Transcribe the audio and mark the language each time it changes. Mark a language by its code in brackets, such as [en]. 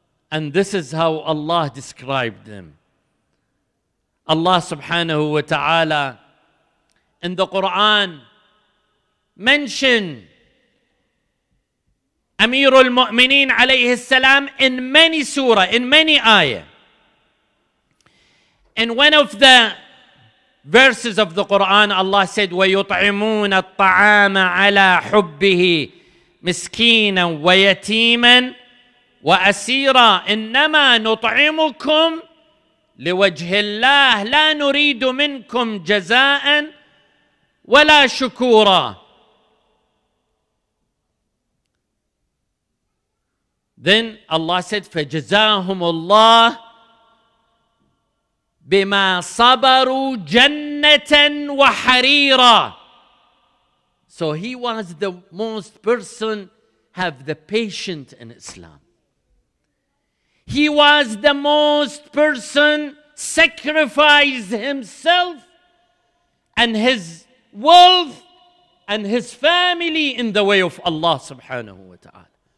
[en] And this is how Allah described them. Allah subhanahu wa ta'ala in the Quran mentioned Amir al-Mu'mineen alayhi salam in many surah, in many ayah. In one of the verses of the Quran, Allah said, [ar] وَيُطْعِمُونَ الطَّعَامَ عَلَىٰ حُبِّهِ مِسْكِينًا وَيَتِيمًا وَأَسِيرًا إِنَّمَا نُطْعِمُكُمْ لِوَجْهِ اللَّهِ لَا نُرِيدُ مِنْكُمْ جَزَاءً وَلَا شُكُورًا. [en] Then Allah said, [ar] فَجَزَاهُمُ اللَّهِ بما صبروا جنة وحريرا. [en] So he was the most person have the patience in Islam. He was the most person sacrificed himself and his wealth and his family in the way of Allah subhanahu wa ta'ala.